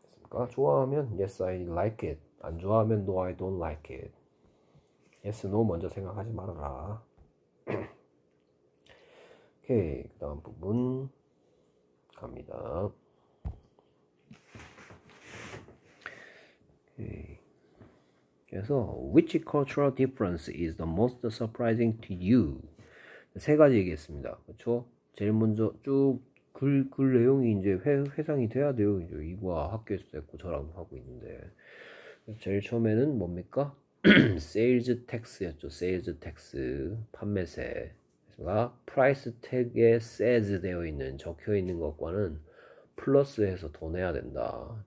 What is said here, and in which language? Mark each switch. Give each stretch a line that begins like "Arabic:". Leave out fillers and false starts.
Korean: 그러니까 좋아하면
English: yes I like it.
Korean: 안 좋아하면
English: no I don't like it.
Korean: yes no 먼저 생각하지 말아라. 오케이, 그 다음 부분 갑니다. 오케이. 그래서
English: which cultural difference is the most surprising to you?
Korean: 세 가지 얘기했습니다. 그렇죠? 제일 먼저 쭉 글 내용이 이제 회상이 돼야 돼요. 이제 이거 학교에서도 했고 저랑도 하고 있는데 제일 처음에는 뭡니까? sales tax였죠. sales tax 판매세. 프라이스 태그에 says 되어 있는 적혀 있는 것과는 플러스해서 더 내야 된다.